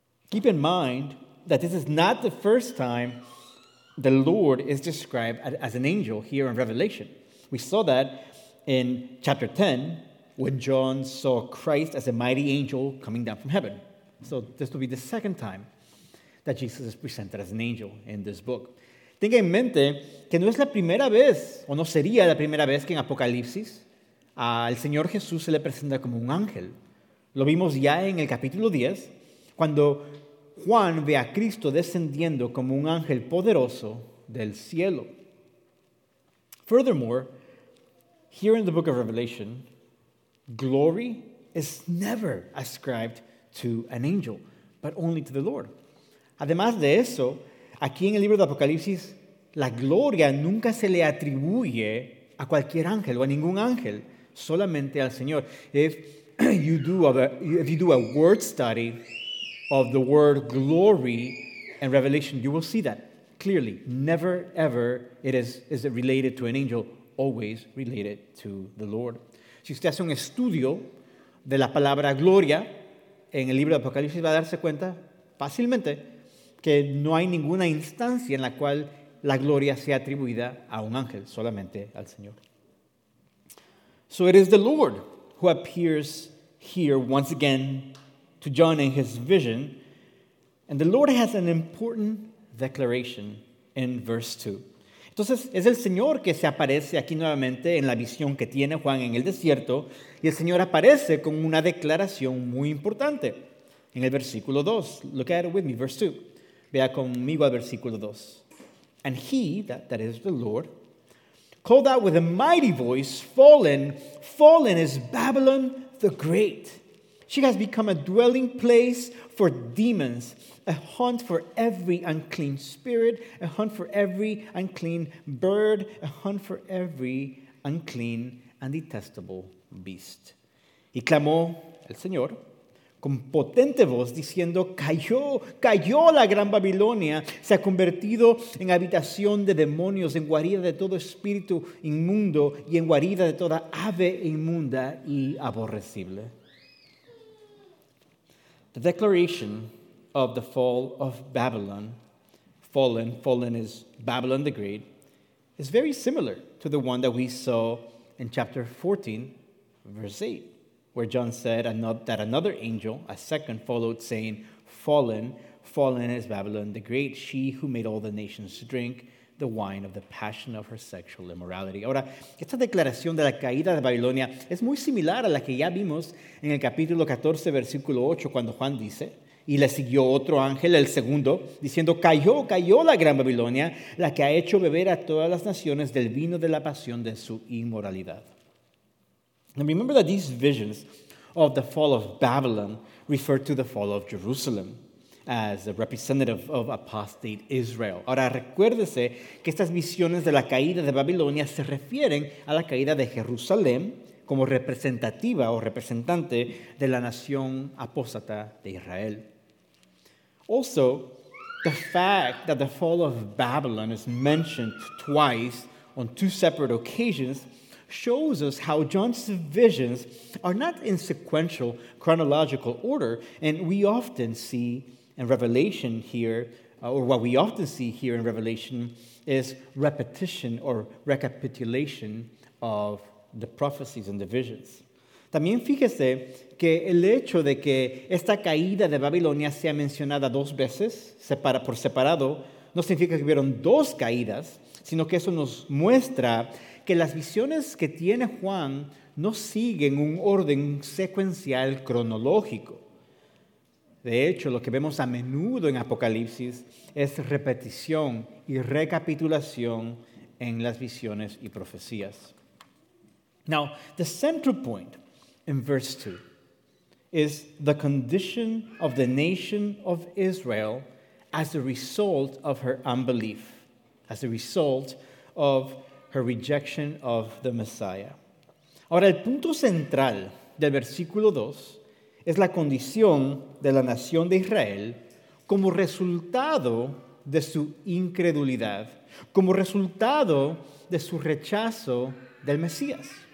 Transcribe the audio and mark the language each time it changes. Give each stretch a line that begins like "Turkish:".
English: Keep in mind that this is not the first time the Lord is described as an angel here in Revelation. We saw that in chapter 10 when John saw Christ as a mighty angel coming down from heaven. So this will be the second time that Jesus is presented as an angel in this book.
Spanish: Tenga en mente que no es la primera vez, o no sería la primera vez que en Apocalipsis al Señor Jesús se le presenta como un ángel. Lo vimos ya en el capítulo 10, cuando Juan ve a Cristo descendiendo como un ángel poderoso del cielo.
English: Furthermore, here in the book of Revelation, glory is never ascribed to an angel, but only to the Lord.
Spanish: Además de eso, aquí en el libro de Apocalipsis, la gloria nunca se le atribuye a cualquier ángel o a ningún ángel, solamente al Señor.
English: If you do a word study of the word glory in Revelation, you will see that clearly. Never, ever is it related to an angel, always related to the Lord.
Spanish: Si usted hace un estudio de la palabra gloria en el libro de Apocalipsis, va a darse cuenta fácilmente que no hay ninguna instancia en la cual la gloria sea atribuida a un ángel, solamente al Señor.
English: So it is the Lord who appears here once again to John in his vision. And the Lord has an important declaration in verse 2.
Spanish: Entonces, es el Señor que se aparece aquí nuevamente en la visión que tiene Juan en el desierto. Y el Señor aparece con una declaración muy importante en el versículo 2.
English: Look at it with me, verse 2.
Spanish: Vea conmigo al versículo 2.
English: And he, that is the Lord, called out with a mighty voice, "Fallen, fallen is Babylon the Great. She has become a dwelling place for demons, a haunt for every unclean spirit, a haunt for every unclean bird, a haunt for every unclean and detestable beast."
Spanish: Y clamó el Señor con potente voz, diciendo, cayó, cayó la gran Babilonia, se ha convertido en habitación de demonios, en guarida de todo espíritu inmundo y en guarida de toda ave inmunda y aborrecible.
English: The declaration of the fall of Babylon, fallen, fallen is Babylon the Great, is very similar to the one that we saw in chapter 14, verse 8. Where John said that another angel, a second, followed saying, "Fallen, fallen is Babylon the Great, she who made all the nations drink the wine of the passion of her sexual immorality."
Spanish: Ahora, esta declaración de la caída de Babilonia es muy similar a la que ya vimos en el capítulo 14, versículo 8, cuando Juan dice, y le siguió otro ángel, el segundo, diciendo, "Cayó, cayó la gran Babilonia, la que ha hecho beber a todas las naciones del vino de la pasión de su inmoralidad."
English: Now remember that these visions of the fall of Babylon refer to the fall of Jerusalem. as a representative of apostate Israel.
Spanish: Ahora, recuérdese que estas visiones de la caída de Babilonia se refieren a la caída de Jerusalén como representativa o representante de la nación apóstata de Israel.
English: Also, the fact that the fall of Babylon is mentioned twice on two separate occasions shows us how John's visions are not in sequential chronological order, and we often see in Revelation here, or what we often see here in Revelation, is repetition or recapitulation of the prophecies and the visions.
Spanish: También fíjese que el hecho de que esta caída de Babilonia sea mencionada dos veces por separado no significa que hubieron dos caídas, sino que eso nos muestra que las visiones que tiene Juan no siguen un orden secuencial cronológico. De hecho, lo que vemos a menudo en Apocalipsis es repetición y recapitulación en las visiones y profecías.
English: Now, the central point in verse 2 is the condition of the nation of Israel as a result of her unbelief, as a result of her rejection of the Messiah.
Spanish: Ahora, el punto central del versículo 2 es la condición de la nación de Israel como resultado de su incredulidad, como resultado de su rechazo del Mesías.